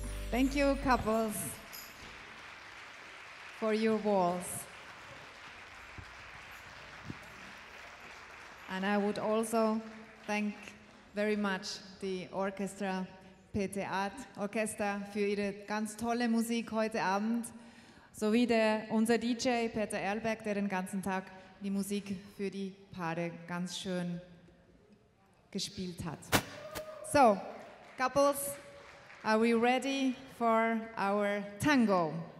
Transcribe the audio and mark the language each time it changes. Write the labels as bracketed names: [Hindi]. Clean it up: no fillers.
[English] Thank you, couples, for your walls. And I would also thank very much the orchestra, [German] Peter Art Orchester, für ihre ganz tolle Musik heute Abend, sowie unser DJ Peter Erlberg, der den ganzen Tag die Musik für die Paare ganz schön gespielt hat. [English] So, couples, are we ready for our tango?